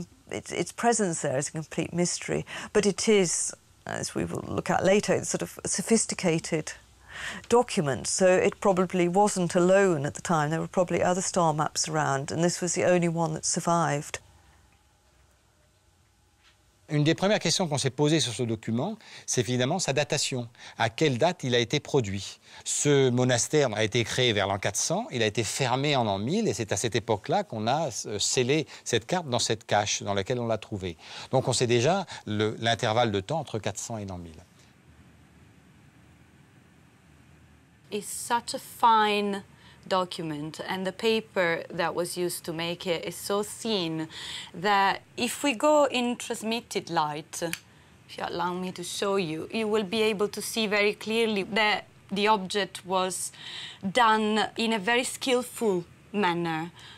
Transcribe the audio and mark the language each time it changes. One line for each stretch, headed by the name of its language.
English: Its presence there is a complete mystery, but it is, as we will look at later, it's sort of a sophisticated document, so it probably wasn't alone at the time. There were probably other star maps around, and this was the only one that survived.
French: Une des premières questions qu'on s'est posées sur ce document, c'est finalement sa datation. À quelle date il a été produit? Ce monastère a été créé vers l'an 400, il a été fermé en l'an 1000, et c'est à cette époque-là qu'on a scellé cette carte dans cette cache dans laquelle on l'a trouvée. Donc on sait déjà l'intervalle de temps entre 400 et l'an 1000.
English: It's such a fine document, and the paper that was used to make it is so thin that if we go in transmitted light, if you allow me to show you, you will be able to see very clearly that the object was done in a very skillful manner.